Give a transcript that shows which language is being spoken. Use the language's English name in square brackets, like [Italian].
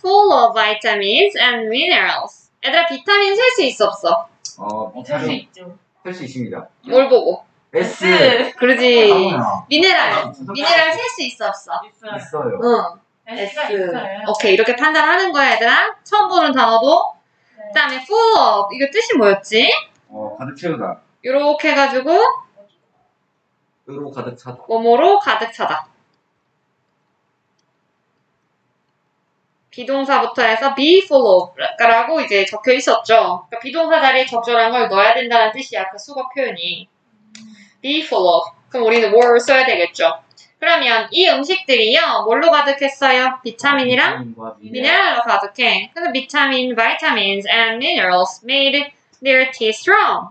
[English] Full of vitamins and minerals. [Korean] 얘들아, 비타민 셀 수 있어 없어? 셀 수 있죠. 셀 수 있습니다. 뭘 보고? [English] S. [Korean] 그러지. 미네랄. 미네랄 셀 수 있어 없어? 있어요. 응. [English] S. [Korean] 오케이, 이렇게 판단하는 거야, 얘들아. 처음 보는 단어도. 네. 그 다음에 full of. 이거 뜻이 뭐였지? 가득 채우다. 요렇게 해가지고. 요로 가득 차다. 뭐뭐로 가득 차다. 비동사부터 해서 [English] be full of. [Korean] 라고 이제 적혀 있었죠. 그러니까 비동사 자리에 적절한 걸 넣어야 된다는 뜻이야, 그 수거 표현이. [English] be full of. [Korean] 그럼 우리는 were 써야 되겠죠. 그러면 이 음식들이요, 뭘로 가득했어요? 비타민이랑 미네랄로 가득해. 그래서 비타민, [English] vitamins, and minerals made their tea strong.